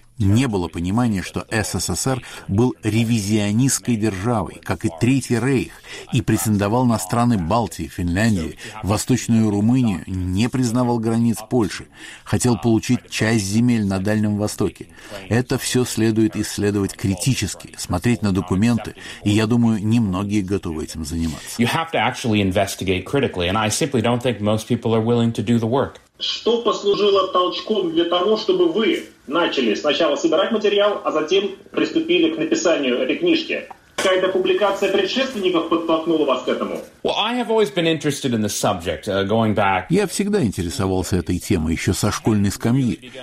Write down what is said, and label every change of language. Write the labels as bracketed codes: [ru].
[ru] Не было понимания, что СССР был ревизионистской державой, как и Третий Рейх, и претендовал на страны Балтии, Финляндии, Восточную Румынию, не признавал границ Польши, хотел получить часть земель на Дальнем Востоке. Это все следует исследовать критически, смотреть на документы, и я думаю, немногие готовы этим заниматься. [en] You have to actually investigate critically, and I simply don't think most people are willing to do the work. [ru] Что послужило толчком для того, чтобы вы начали сначала собирать материал, а затем приступили к написанию этой книжки? Какая-то публикация предшественников подтолкнула вас к этому? Я всегда интересовался этой темой еще со школьной скамьи.